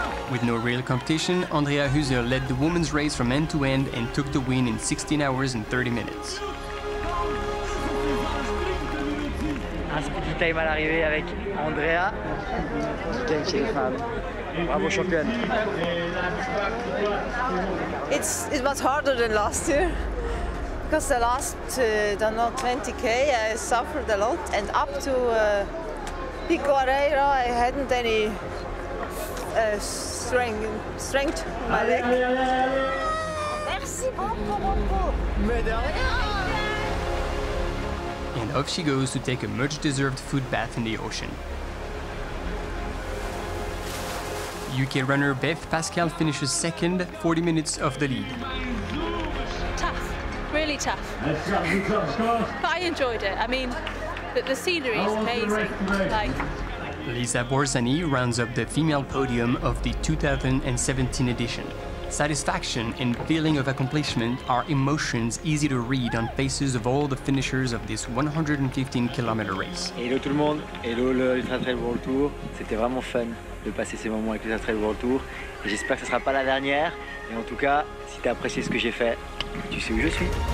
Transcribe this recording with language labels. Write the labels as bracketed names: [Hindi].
[English] With no real competition, Andrea Huser led the women's race from end to end and took the win in 16 hours and 30 minutes. [French] Petit time à l'arrivée avec Andrea, qui gagne chez les femmes. Bravo championne. [English] It was harder than last year because the last 20K I suffered a lot and up to Pico Areira I hadn't any strength in my leg. [French] Merci beaucoup. [English] And off she goes to take a much-deserved foot bath in the ocean. UK runner Beth Pascal finishes second, 40 minutes off the lead. Tough, really tough. But I enjoyed it. I mean, the scenery is amazing. Lisa Borzani rounds up the female podium of the 2017 edition. Satisfaction and feeling of accomplishment are emotions easy to read on faces of all the finishers of this 115-kilometer race. [French] Hello, tout le monde. Hello, le Ultra Trail World Tour. C'était vraiment fun de passer ces moments avec le Ultra Trail World Tour. Et j'espère que ce sera pas la dernière. Et en tout cas, si t'as apprécié ce que j'ai fait, tu sais où je suis.